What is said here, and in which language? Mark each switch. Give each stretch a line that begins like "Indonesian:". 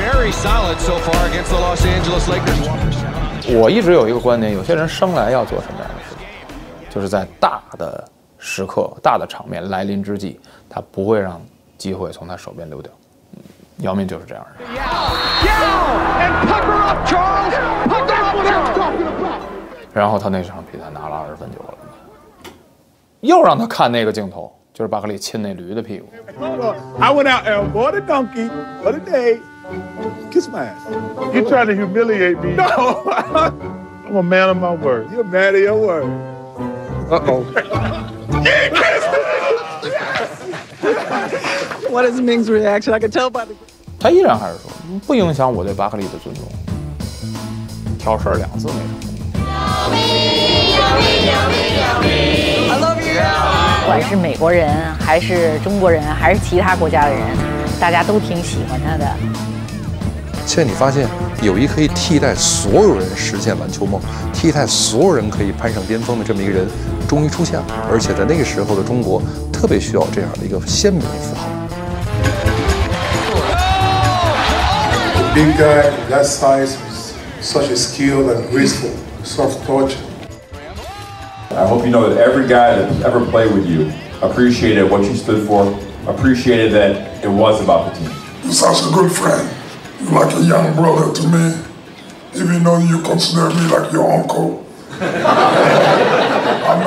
English: Solid so far against the Los Angeles Lakers.
Chinese: 我一直有一个观点，有些人生来要做什么样的事情，就是在大的时刻、大的场面来临之际，他不会让机会从他手边溜掉。姚明就是这样的。然后他那场比赛拿了29分9篮板，又让他看那个镜头，就是巴克利亲那驴的屁股。
English: I went out and bought a donkey for the day. Kiss my ass. You're trying to humiliate me. No. I'm a man of my word. You're a man of your word. Uh-oh. He kissed me! Yes! What is Ming's reaction? I can tell by the...
Chinese: 他依然还是说不影响我对巴克利的尊重。挑事两次没什么。不管是美国人还是中国人还是其他国家的人，大家都挺喜欢他的。现在你发现有一可以替代所有人实现篮球梦，替代所有人可以攀上巅峰的这么一个人终于出现了，而且在那个时候的中国特别需要这样的一个鲜明的符号。
English: A big guy that size is such a skill and graceful soft touch. I hope you know that every guy that ever played with you appreciated what you stood for, appreciated that it was about the team. You're such a good friendLike a young brother to me, even though you consider me like your uncle. I'm